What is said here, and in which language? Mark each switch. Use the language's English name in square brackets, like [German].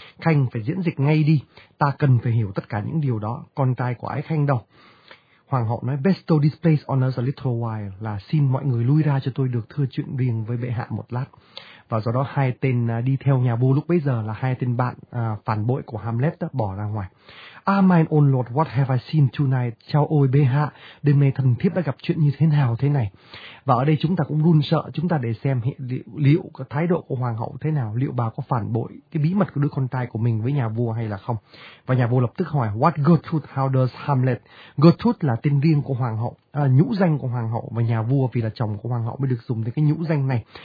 [Vietnamese] Khanh phải diễn dịch ngay đi. Ta cần phải hiểu tất cả những điều đó. Con trai của ái khanh đâu? Hoàng hậu nói, [English] "Bestow this place on us a little while," [Vietnamese] là xin mọi người lui ra cho tôi được thưa chuyện riêng với bệ hạ một lát. Và do đó hai tên đi theo nhà vua lúc bấy giờ là hai tên bạn phản bội của Hamlet đã bỏ ra ngoài. [English] "Ah, my own lord, what have I seen tonight?" [Vietnamese] Chao ôi bệ hạ, đêm nay thần thiếp đã gặp chuyện như thế nào thế này. Và ở đây chúng ta cũng run sợ, chúng ta để xem liệu cái thái độ của hoàng hậu thế nào, liệu bà có phản bội cái bí mật của đứa con trai của mình với nhà vua hay là không. Và nhà vua lập tức hỏi, [English] "What Gertrude, how does Hamlet?" [Vietnamese] Gertrude là tên riêng của hoàng hậu, nhũ danh của hoàng hậu, và nhà vua vì là chồng của hoàng hậu mới được dùng đến cái nhũ danh này.